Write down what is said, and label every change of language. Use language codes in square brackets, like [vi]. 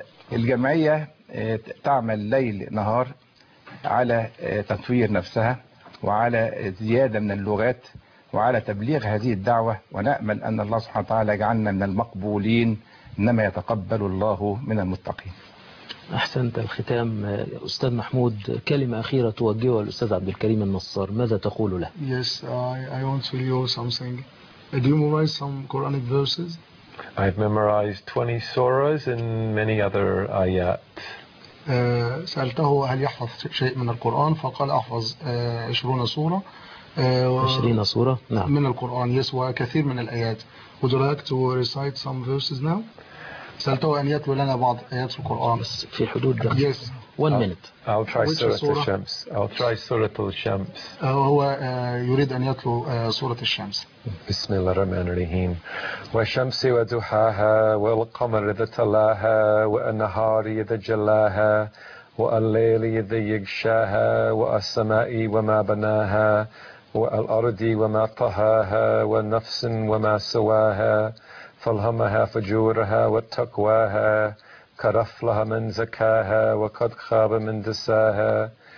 [ar] فالجمعية تعمل ليل نهار على تطوير نفسها وعلى زيادة من اللغات وعلى تبليغ هذه الدعوة ونأمل أن الله سبحانه وتعالى يجعلنا من المقبولين إنما يتقبل الله من المتقين أحسنت الختام أستاذ محمود كلمة أخيرة توجهها الأستاذ عبد الكريم النصار ماذا تقول له [en] Yes, I want to read you something. Do you memorize some Quranic verses? I've memorized 20 surahs and many other ayat. [ar] سألته هل يحفظ شيء من القرآن فقال أحفظ 20 سورة 20 سورة. نعم. من القرآن. يس. وكثير من الآيات. [en] Would you like to recite some verses now? [ar] سألته أن يتلو لنا بعض آيات القرآن. بس في حدود ده. [en] Yes. One minute. I'll try Surah Al-Shams. [ar] هو يريد أن يتلو سورة الشمس. بسم الله الرحمن الرحيم. والشمس وضحاها والقمر إذا تلاها والنهار إذا جلاها والليل إذا يغشاها والسماء وما بناها والأرض وما طهاها والنفس وما سواها فالهمها فجورها وتقواها كرفلها من زكاها وقد خاب من دساها